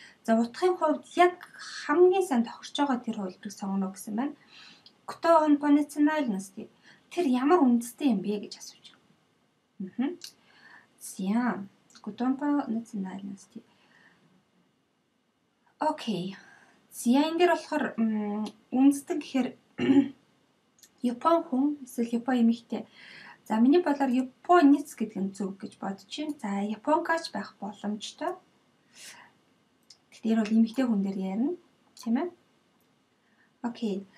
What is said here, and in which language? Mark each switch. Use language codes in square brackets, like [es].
[mn] За утгын хувьд яг хамгийн сайн тохирч байгаа тэр хувилбарыг сонгоно гэсэн байна. [ru] Кто он по национальности? [mn] Тэр ямар үндэстэн юм бэ гэж асууж байна. Зя. [ru] Кто он по национальности? Окей. [mn] Зя энэ дээр болохоор үндэстэн гэхээр Япон хүн эсвэл Япон эмэгтэй. За миний болоор японец гэдэг нь зөв гэж бодож байна. За японкач байх боломжтой. Тэгтэр бол эмэгтэй хүн дээр ярина. Тийм ээ. Окей.